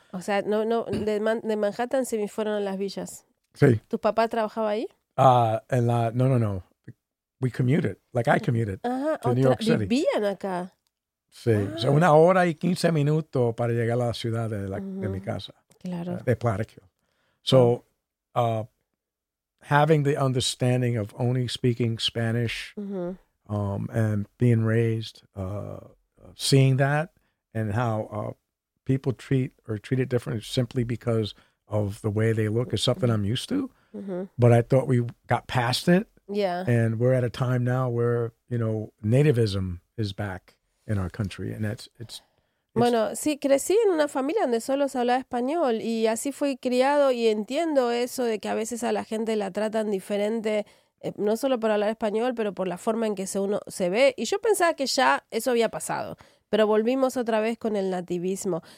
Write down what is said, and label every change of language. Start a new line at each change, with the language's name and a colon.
Spanish: O sea, de Manhattan se me fueron a Las Villas. Sí. ¿Tu papá trabajaba ahí?
English: No. We commuted. Like I commuted. Ajá. New York City.
Spanish: Vivían acá. Sí. Wow. O sea, una hora y 15 minutos para llegar a la ciudad de mi casa. Claro. De Plattekill.
English: So, having the understanding of only speaking Spanish, uh-huh, and being raised, seeing that and how... people treat or treat it differently simply because of the way they look is something I'm used to. Mm-hmm. But I thought we got past it. Yeah. And we're at a time now where, you know, nativism is back in our country. And it's
Spanish: bueno, sí, crecí en una familia donde solo se hablaba español y así fui criado y entiendo eso de que a veces a la gente la tratan diferente, no solo por hablar español, pero por la forma en que uno se ve. Y yo pensaba que ya eso había pasado. Pero volvimos otra vez con el nativismo.